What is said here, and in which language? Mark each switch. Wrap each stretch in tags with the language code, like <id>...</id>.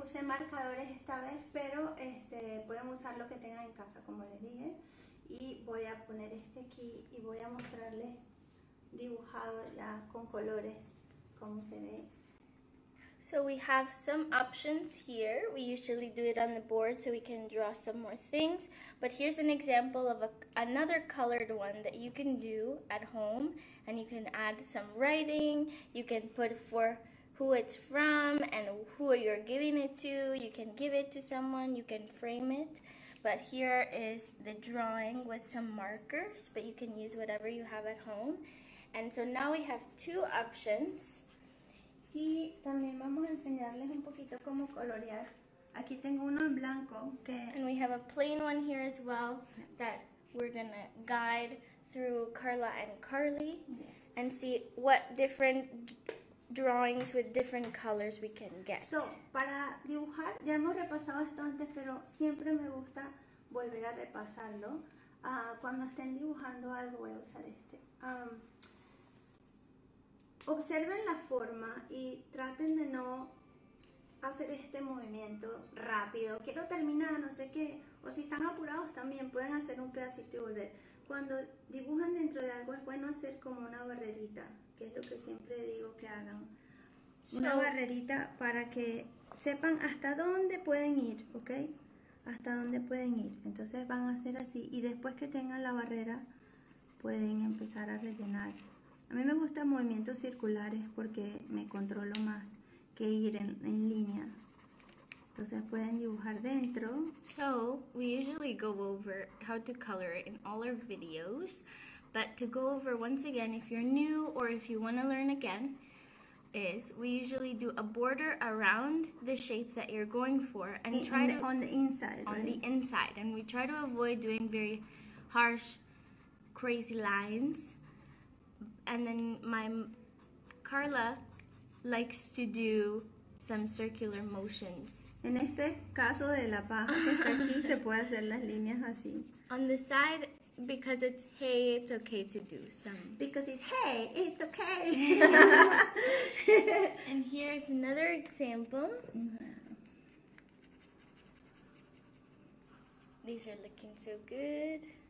<es>Usé marcadores esta vez, pero pueden usar lo que tengan en casa, como les dije. Y voy a poner este aquí y voy a mostrarles dibujado ya con colores cómo se ve.</es> <en>So we have some options here. We usually do it on the board so we can draw some more things. But here's an example of another colored one that you can do at home. And you can add some writing. You can put for who it's from and who you're giving it to. You can give it to someone. You can frame it. But here is the drawing with some markers. But you can use whatever you have at home. And so now we have two options.</en> <es>Y también vamos a enseñarles un poquito cómo colorear. Aquí tengo uno en blanco que...</es> <en>And we have a plain one here as well that we're going to guide through Carla and Carly. Yes. And see what different drawings with different colors we can get.</en> <es>So, para dibujar, ya hemos repasado esto antes, pero siempre me gusta volver a repasarlo. Cuando estén dibujando algo, voy a usar este. Observen la forma y traten de no hacer este movimiento rápido. Quiero terminar, no sé qué. O si están apurados también, pueden hacer un pedacito y volver. Cuando dibujan dentro de algo, es bueno hacer como una barrerita, que es lo que siempre digo que hagan. Una barrerita para que sepan hasta dónde pueden ir, ¿ok? Hasta dónde pueden ir. Entonces van a hacer así y después que tengan la barrera, pueden empezar a rellenar. A mí me gustan movimientos circulares porque me controlo más que ir en línea. Entonces pueden dibujar dentro.</es> <en>So, we usually go over how to color it in all our videos. But to go over once again, if you're new or if you want to learn again, is we usually do a border around the shape that you're going for. And on the inside. And we try to avoid doing very harsh, crazy lines. And then Carla likes to do some circular motions.</en> <es>En este caso de la paja que está aquí, se puede hacer las líneas así.</es> <en>On the side, because it's hay, it's okay to do some. Because it's hay, it's okay. And here's another example. These are looking so good.</en>